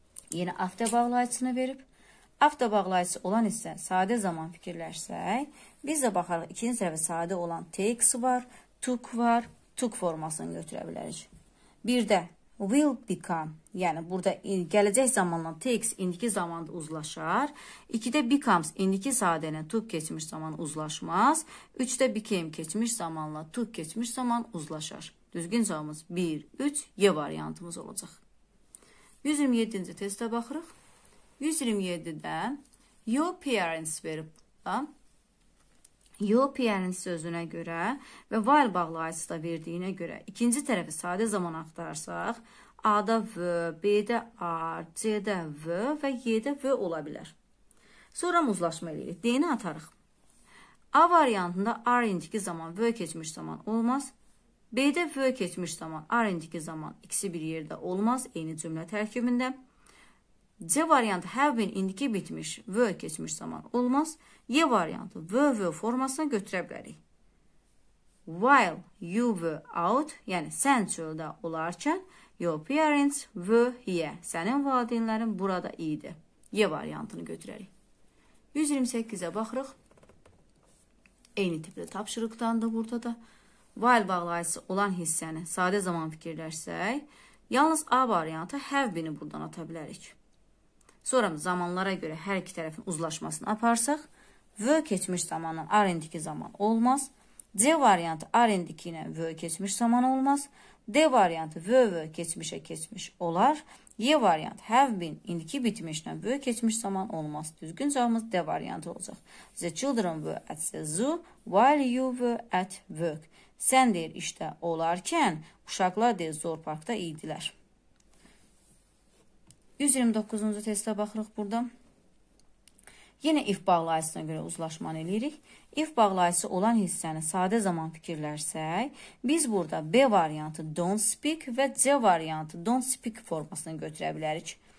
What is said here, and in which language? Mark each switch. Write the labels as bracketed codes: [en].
[az] Yenə afta bağlayıcısını verib. Afta bağlayıcısı olan isə sadə zaman fikirlərsək, biz də baxarıq, ikinci tərəfə sadə olan takes var, took var, took formasını götürə bilərik. Bir də [en] will become, [az] yəni burada gələcək zamanla takes indiki zamanda uzlaşar. İkidə becomes indiki sadənin took keçmiş zaman uzlaşmaz. Üçdə became keçmiş zamanla took keçmiş zaman uzlaşar. Düzgün cavabımız 1, 3, Y variantımız olacaq. 127-ci testə baxırıq. 127-də [en] your parents [az] verib. [en] Your parents [az] sözünə görə və while bağlayıcısı da verdiyinə görə ikinci tərəfi sadə zaman axtarsaq, A-da V, B-də R, C-də V və Y-də V ola bilər. Sonra uzlaşma eləyirik. D-ni atarıq. A variantında R indiki zaman V keçmiş zaman olmaz. B-də V keçmiş zaman R indiki zaman ikisi bir yerdə olmaz. Eyni cümlə tərkibində. C variantı [en] have been [az] indiki bitmiş, V keçmiş zaman olmaz. Y variantı V, V formasına götürə bilərik. [en] While you were out, [az] yəni sən çöldə olarkən, [en] your parents were here. [az] Sənin valideynlərin burada idi. Y variantını götürərik. 128-ə baxırıq. Eyni tipdə tapşırıqdan da burada da. While bağlayıcısı olan hissəni sadə zaman fikirlərsək, yalnız A variantı [en] have been- [az] i buradan ata bilərik. Sonra zamanlara görə hər iki tərəfin uzlaşmasını aparsaq, V keçmiş zamanın R indiki zaman olmaz. C variantı R indiki ilə V keçmiş zaman olmaz. D variantı V, V keçmişə keçmiş olar. Y variantı [en] have been [az] indiki bitmişlə V keçmiş zaman olmaz. Düzgün cavabımız D variantı olacaq. [en] The children were at the zoo while you were at work. [az] Sən deyir işdə olarkən uşaqlar deyir zoparkda idilər. 129-cu testə baxırıq burada. Yenə if bağlayıcısına görə uzlaşmanı eləyirik. If bağlayıcısı olan hissəni sadə zaman fikirlərsək, biz burada B variantı [en] don't speak [az] və C variantı don't speak formasını götürə bilərik.